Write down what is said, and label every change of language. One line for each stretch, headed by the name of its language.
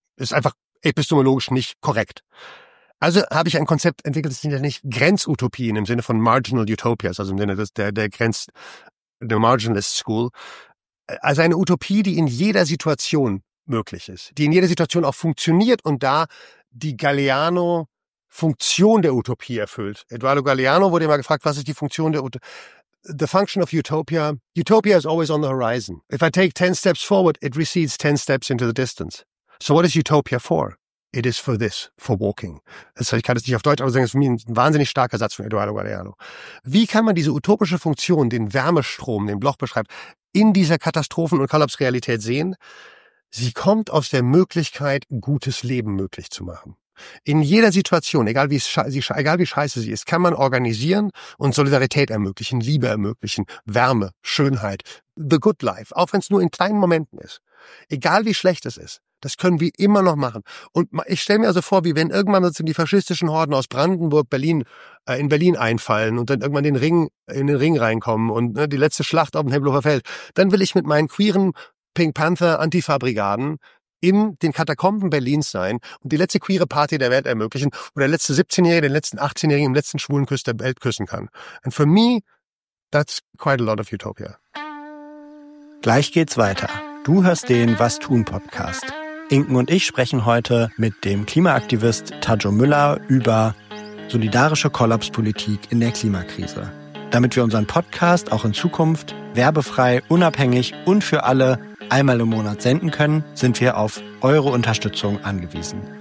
German: Ist einfach epistemologisch nicht korrekt. Also habe ich ein Konzept entwickelt, das sind ja nicht Grenzutopien im Sinne von Marginal Utopias, also im Sinne der Marginalist School. Also eine Utopie, die in jeder Situation möglich ist. Die in jeder Situation auch funktioniert und da die Galeano Funktion der Utopie erfüllt. Eduardo Galeano wurde immer gefragt, was ist die Funktion der Utopie?
English: The function of utopia. Utopia is always on the horizon. If I take 10 steps forward, it recedes 10 steps into the distance. So what is utopia for? It is for this, for walking.
German: Also ich kann das nicht auf Deutsch, aber sagen, das ist für mich ein wahnsinnig starker Satz von Eduardo Galeano. Wie kann man diese utopische Funktion, den Wärmestrom, den Bloch beschreibt, in dieser Katastrophen- und Kollapsrealität sehen? Sie kommt aus der Möglichkeit, gutes Leben möglich zu machen. In jeder Situation, egal wie scheiße sie ist, kann man organisieren und Solidarität ermöglichen, Liebe ermöglichen, Wärme, Schönheit,
English: the good life,
German: auch wenn es nur in kleinen Momenten ist. Egal wie schlecht es ist, das können wir immer noch machen. Und ich stelle mir also vor, wie wenn irgendwann sozusagen die faschistischen Horden aus Brandenburg, Berlin einfallen und dann irgendwann den Ring in den Ring reinkommen und ne, die letzte Schlacht auf dem Tempelhofer Feld, dann will ich mit meinen queeren Pink Panther Antifa-Brigaden in den Katakomben Berlins sein und die letzte queere Party der Welt ermöglichen, wo der letzte 17-Jährige den letzten 18-Jährigen im letzten schwulen Kuss der Welt küssen kann.
English: And for me, that's quite a lot of utopia.
German: Gleich geht's weiter. Du hörst den Was tun Podcast. Inken und ich sprechen heute mit dem Klimaaktivist Tadjo Müller über solidarische Kollapspolitik in der Klimakrise. Damit wir unseren Podcast auch in Zukunft werbefrei, unabhängig und für alle einmal im Monat senden können, sind wir auf eure Unterstützung angewiesen.